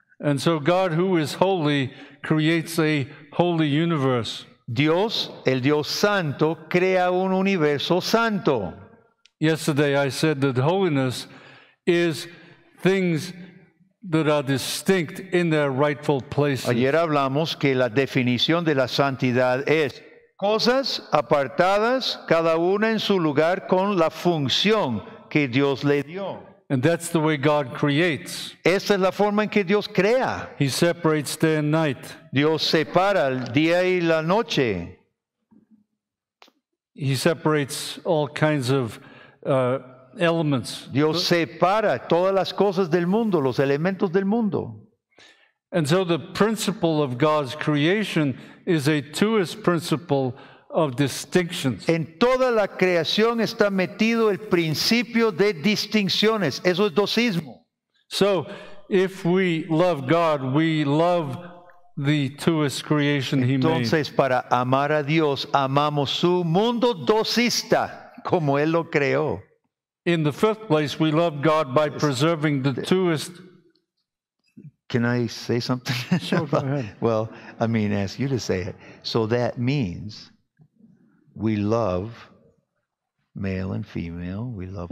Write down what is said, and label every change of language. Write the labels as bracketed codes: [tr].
[en] And so God, who is holy, creates a holy universe. [es] Dios, el Dios santo, crea un universo santo. [en] Yesterday I said that holiness is things that are distinct in their rightful places. [es] Ayer hablamos que la definición de la santidad es cosas apartadas, cada una en su lugar con la función que Dios le dio. [en] And that's the way God creates. [es] Esa es la forma en que Dios crea. [en] He separates day and night. [es] Dios separa el día y la noche. [en] He separates all kinds of elements. [es] Dios separa todas las cosas del mundo, los elementos del mundo. [en] And so the principle of God's creation is a twoist principle of distinctions. [es] En toda la creación está metido el principio de distinciones. Eso es dosismo. [en] So, if we love God, we love the twoist creation he made. [es] Entonces, para amar a Dios, amamos su mundo dosista, como él lo creó. [en] In the first place, we love God by preserving the twoist. Can I say something? Sure, go ahead. Well, I mean, ask you to say it. So that means we love male and female. We love.